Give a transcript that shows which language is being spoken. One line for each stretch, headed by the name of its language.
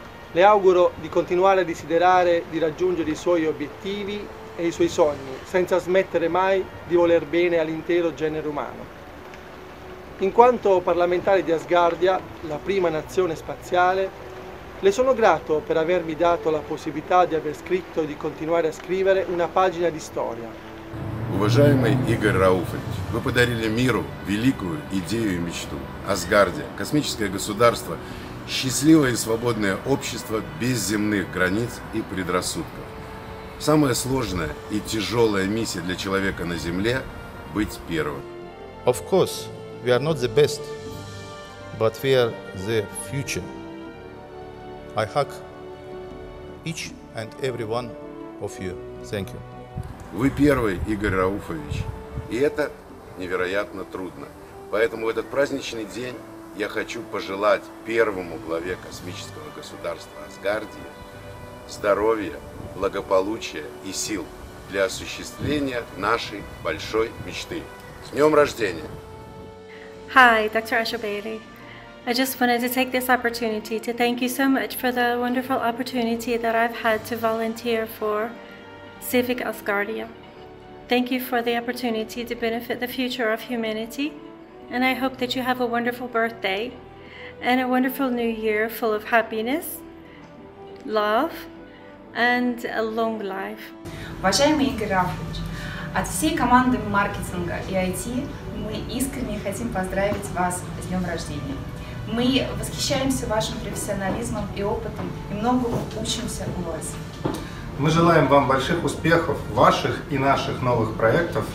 Italian: Le auguro di continuare a desiderare di raggiungere i suoi obiettivi e i suoi sogni, senza smettere mai di voler bene all'intero genere umano. In quanto parlamentare di Asgardia, la prima nazione spaziale, le sono grato per avermi dato la possibilità di aver scritto e di continuare a scrivere una pagina di storia.
Russian: Уважаемый Игорь Рауфович, вы подарили миру великую идею и мечту. Асгардия, космическое государство, счастливое и свободное общество без земных границ и предрассудков. Самая сложная и тяжелая миссия для человека на Земле – быть первым.
English: Of course, we are not the best, but we are the future. I hug each and every one of you. Thank you.
Russian: Вы первый, Игорь Рауфович, и это невероятно трудно. Поэтому в этот праздничный день я хочу пожелать первому главе космического государства Асгардии здоровья, благополучия и сил для осуществления нашей большой мечты. С днем рождения!
English: Hi, Dr. Asha Bailey. I just wanted to take this opportunity to thank you so much for the wonderful opportunity that I've had to volunteer for Civic Asgardia. Thank you for the opportunity to benefit the future of humanity, and I hope that you have a wonderful birthday and a wonderful new year full of happiness, love, and a long life.
Russian: Уважаемый Игорь Рафович, от всей команды маркетинга и IT мы искренне хотим поздравить вас с днем рождения. Мы восхищаемся вашим профессионализмом и опытом и многому учимся у вас. Мы желаем вам больших успехов, ваших и наших новых проектов.